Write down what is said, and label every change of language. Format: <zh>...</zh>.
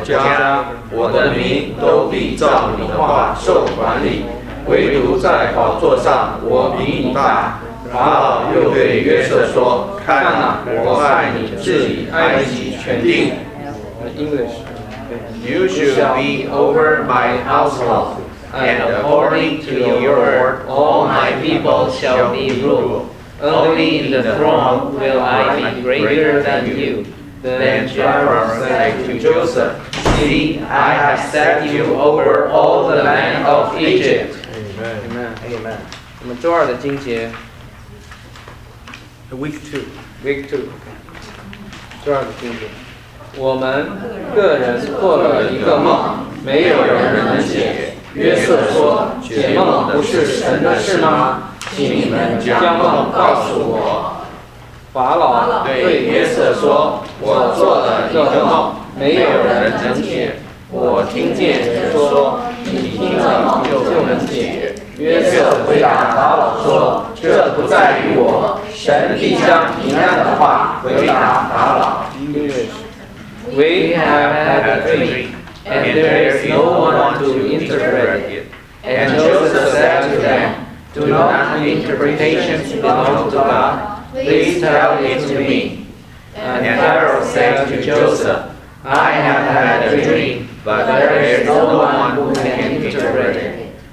<zh>家，我的民都必照你的话受管理。唯独在宝座上我比你大。法老又对约瑟说，看哪、我派你治理埃及全地。</zh> <en>English. You shall be over my household, and according to your word, all my people shall be ruled. Only in the throne will I be greater than you. Then Pharaoh said to Joseph, See, I have set you over all the land of Egypt. Amen.</en> <zh>我们周二的经节。</zh> <en>Week two.</en> <zh>周二的经节。我们个人做了一个梦，没有人能解。约瑟说：“解梦不是神的事吗？请你们将梦告诉我。” 法老对约瑟说：“我做了一个梦，没有人能解。我听见人说，你听了梦就能解。” 约瑟回答法老说：“这不在于我，神必将平安的话回答法老。”</zh> <en>We have had a dream, and there is no one to interpret it. And Joseph said to them, Do not the interpretations belong to God? Please tell it to me. And Pharaoh said to Joseph, I have had a dream, but there is no one who can interpret it.</en>